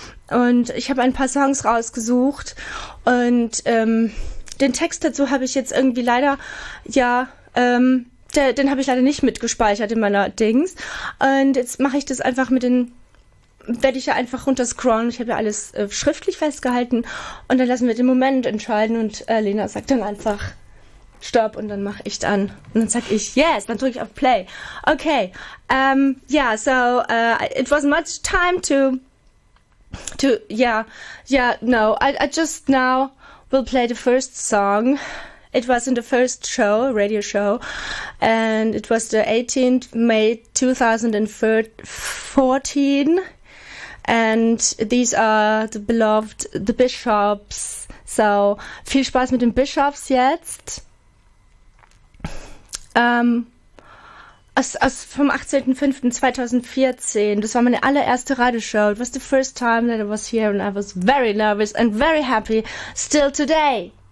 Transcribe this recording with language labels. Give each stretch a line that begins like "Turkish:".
German: Und ich habe ein paar Songs rausgesucht und den Text dazu habe ich jetzt irgendwie leider, den habe ich leider nicht mitgespeichert in meiner Dings. Und jetzt mache ich das einfach werde ich ja einfach runterscrollen. Ich habe ja alles schriftlich festgehalten und dann lassen wir den Moment entscheiden und Lena sagt dann einfach Stopp und dann mache ich dann. Und dann sage ich Yes, dann drücke ich auf Play.
English: Okay, it was much time I just now... We'll play the first song. It was in the first show, radio show, and it was the 18th May 2014. And these are the beloved, the Bishops.
German: So, viel Spaß mit den Bishops jetzt. Vom 18.05.2014. Das war meine allererste Radioshow.
English: It was the first time that I was here and I was very nervous and very happy still today.